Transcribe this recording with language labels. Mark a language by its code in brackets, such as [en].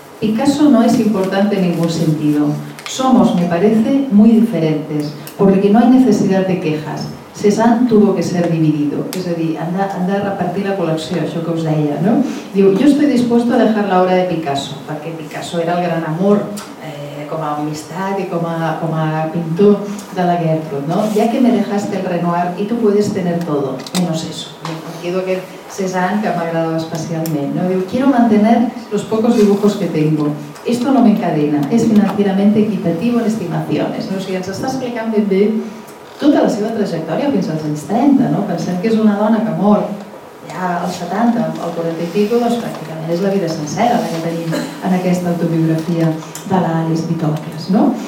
[es] Picasso no es importante en ningún sentido. Somos, me parece, muy diferentes, porque no hay necesidad de quejas. Cézanne tuvo que ser dividido. [ca] És a dir, han de repartir la col·lecció, això que us deia, no? [es] Diu, yo estoy dispuesto a dejar la obra de Picasso, [ca] perquè Picasso era el gran amor com a amistat i com a pintor de la Gertrud, no? [es] Ya que me dejaste el Renoir y tú puedes tener todo, menos eso. Quiero que Cézanne, [ca] que m'agrada especialment, no? Diu, [es] quiero mantener los pocos dibujos que tengo. Esto no me encadena, es financieramente equitativo en estimaciones. [ca] No? O sigui, ens està explicant ben bé tota la seva trajectòria fins als anys 30, no? Pensem que és una dona que mor ja als 70, al 45, doncs pràcticament és la vida sencera la que tenim en aquesta autobiografia de l'Alice Vitòcles, no?